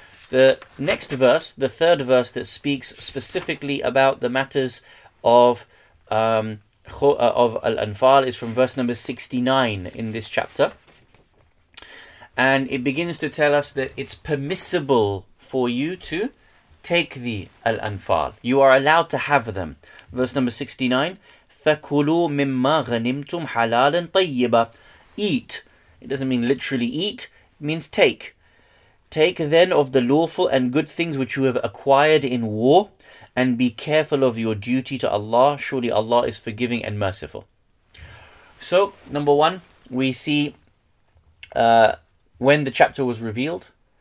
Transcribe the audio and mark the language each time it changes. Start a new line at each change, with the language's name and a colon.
English: The next verse, the third verse that speaks specifically about the matters of Al-Anfal, is from verse number 69 in this chapter. And it begins to tell us that it's permissible for you to take the Al-Anfal. You are allowed to have them. Verse number 69,
Arabic: فَكُلُوا مِمَّا غَنِمْتُمْ حَلَالًا طَيِّبًا.
English: Eat. It doesn't mean literally eat, it means take. Take then of the lawful and good things which you have acquired in war, and be careful of your duty to Allah. Surely Allah is forgiving and merciful. So, number one, we see when the chapter was revealed.